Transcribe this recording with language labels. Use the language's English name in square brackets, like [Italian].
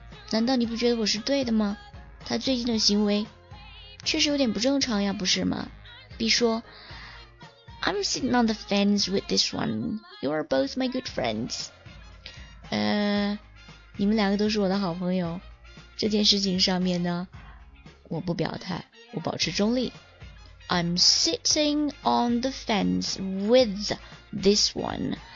[Chinese] 难道你不觉得我是对的吗？他最近的行为确实有点不正常呀，不是吗？ [English] B 说 I'm sitting on the fence with this one. You are both my good friends. [Chinese] 你们两个都是我的好朋友。这件事情上面呢，我不表态，我保持中立。 [English] I'm sitting on the fence with this one.